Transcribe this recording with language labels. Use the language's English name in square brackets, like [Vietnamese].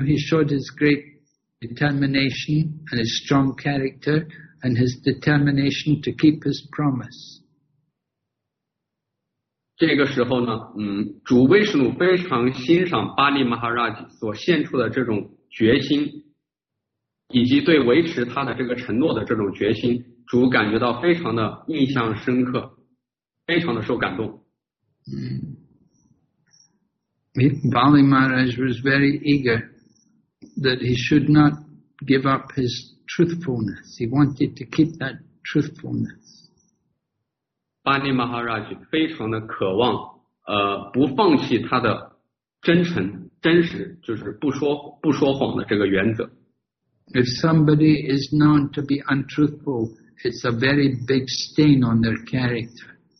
[English] He showed his great determination and his strong character and his determination to keep his promise. [Chinese] 这个时候呢，主威士努非常欣赏巴利马哈拉吉所献出的这种决心，以及对维持他的这个承诺的这种决心，主感觉到非常的印象深刻，非常的受感动。 [English] Bali Maharaj was very eager that he should not give up his truthfulness. He wanted to keep that truthfulness. [Chinese] 巴利马哈拉吉非常的渴望不放弃他的真诚真实，就是不说谎的这个原则。 [English] If somebody is known to be untruthful, it's a very big stain on their character.